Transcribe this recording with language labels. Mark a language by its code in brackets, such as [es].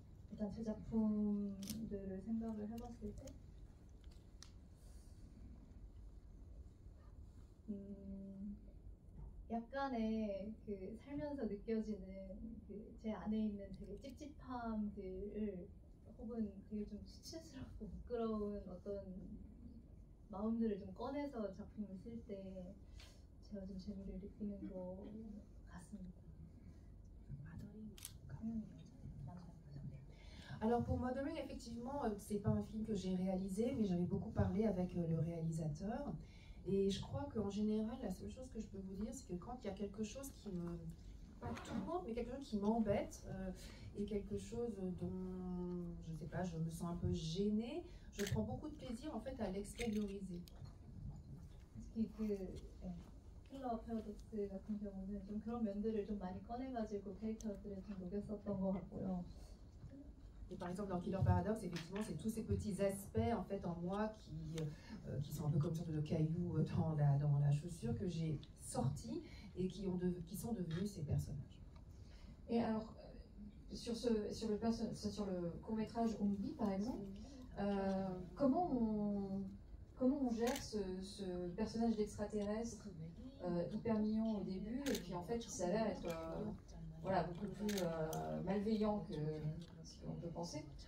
[ko] 일단 제 작품들을 생각을 해봤을 때 약간의 그 살면서 느껴지는 그 제 안에 있는 되게 찝찝함들을 혹은 되게 좀 수치스럽고 부끄러운 어떤 마음들을 좀 꺼내서 작품을 쓸 때 제가 좀 재미를 느끼는 것 같습니다. [fr] Alors pour Mothering, effectivement, c'est pas un film que j'ai réalisé, mais j'avais beaucoup parlé avec le réalisateur. Et je crois qu'en général, la seule chose que je peux vous dire, c'est que quand il y a quelque chose qui me... pas tout le monde, mais quelque chose qui m'embête et quelque chose dont, je ne sais pas, je me sens un peu gênée, je prends beaucoup de plaisir en fait à l'extérioriser. Ce qui est que [ko] Killer Paradox 같은 경우는 좀 그런 면들을 좀 많이 꺼내가지고 캐릭터들을 좀 녹였었던 것 같고요. [fr] Et par exemple, dans Killer Paradox, effectivement, c'est tous ces petits aspects en fait en moi qui sont un peu comme sorte de cailloux dans la chaussure que j'ai sorti et qui sont devenus ces personnages. Et alors sur le court métrage Oumbi, par exemple, comment on gère ce personnage d'extraterrestre hyper mignon au début et puis en fait qui s'avère être beaucoup plus malveillant que ce qu'on peut penser.